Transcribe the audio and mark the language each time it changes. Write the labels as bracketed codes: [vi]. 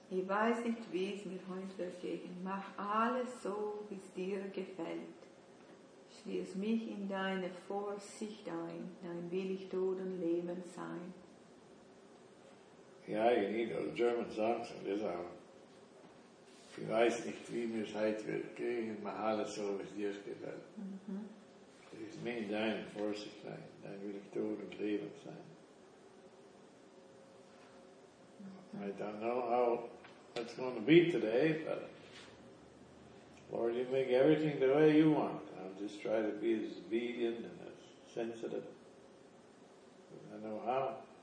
[de] weiß nicht, wie es mir heute geht. Mach alles so, wie es dir gefällt. Schließ mich in deine Vorsicht ein, dein will ich Tod und Leben sein. [en] Ja, you need those German songs in this hour. [de] Ich weiß nicht, wie mir es heute geht. Mach alles so, wie es dir gefällt. Schließ mich in deine Vorsicht ein, dein will ich Tod und Leben sein. [en] I don't know how it's going to be today, but Lord, you make everything the way you want. I'll just try to be as obedient and as sensitive as I know how.